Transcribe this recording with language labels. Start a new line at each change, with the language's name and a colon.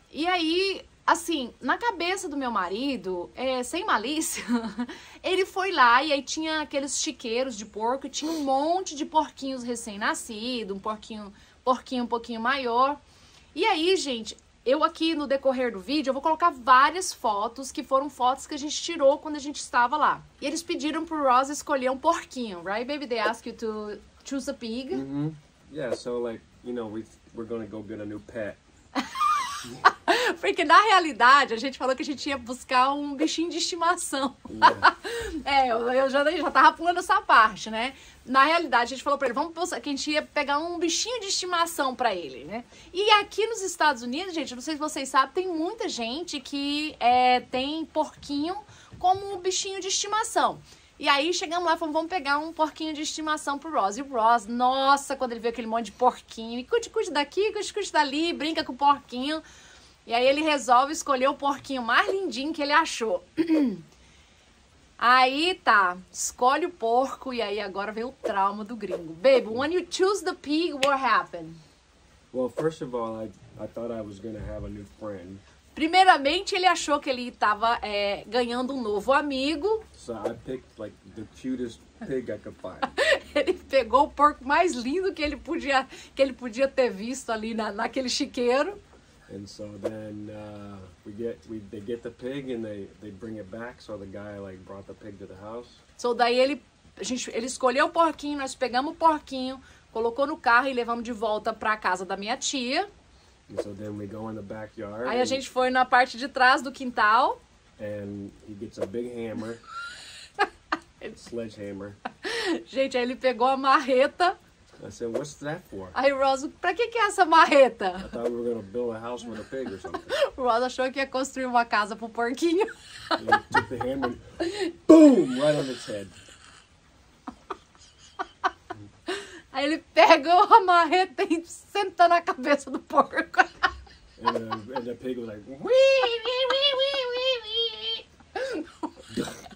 Portuguese: E aí, assim, na cabeça do meu marido, sem malícia, ele foi lá e aí tinha aqueles chiqueiros de porco, e tinha um monte de porquinhos recém-nascidos, um porquinho um pouquinho maior. E aí, gente... Eu aqui, no decorrer do vídeo, eu vou colocar várias fotos que foram fotos que a gente tirou quando a gente estava lá. E eles pediram pro Ross escolher um porquinho,
English: right, baby? They ask you to choose a pig. Mm-hmm. Yeah, so like, you know, we're gonna go get a new pet.
Portuguese: Porque na realidade, a gente falou que a gente ia buscar um bichinho de estimação.
English: Yeah.
Portuguese: eu já tava pulando essa parte, né? Na realidade, a gente falou pra ele, vamos pensar que a gente ia pegar um bichinho de estimação pra ele, né? E aqui nos Estados Unidos, gente, não sei se vocês sabem, tem muita gente que tem porquinho como um bichinho de estimação. E aí chegamos lá e falamos, vamos pegar um porquinho de estimação pro Ross. E o Ross, nossa, quando ele viu aquele monte de porquinho, e cuide daqui, cuide dali, brinca com o porquinho. E aí ele resolve escolher o porquinho mais lindinho que ele achou. Aí tá, escolhe o porco e aí agora vem o trauma do gringo.
English: Baby, when you choose the pig, what happened? Well, first of all, I thought I was gonna have a new friend.
Portuguese: Primeiramente, ele achou que ele tava ganhando um novo amigo.
English: So I picked like the cutest pig I could find.
Portuguese: Ele pegou o porco mais lindo que ele podia ter visto ali naquele chiqueiro.
English: And so then they get the pig and they bring it back. So the guy like brought the pig to the house.
Portuguese: So daí ele escolheu o porquinho, nós pegamos o porquinho, colocou no carro e levamos de volta para a casa da minha tia.
English: And so then we go in the backyard.
Portuguese: Aí a gente foi na parte de trás do quintal.
English: And he gets a big hammer. Sledgehammer.
Portuguese: Gente, aí ele pegou a marreta.
English: I said, what's that for?
Portuguese: Aí, Ross, pra que é essa marreta?
English: I thought we were gonna build a house with a pig or something.
Portuguese: O Ross achou que ia construir uma casa pro porquinho.
English: He took the hammer and boom, right on its head.
Portuguese: Aí ele pegou a marreta e sentou na cabeça do porco.
English: And the pig was like, wee, wee, wee, wee, wee, wee.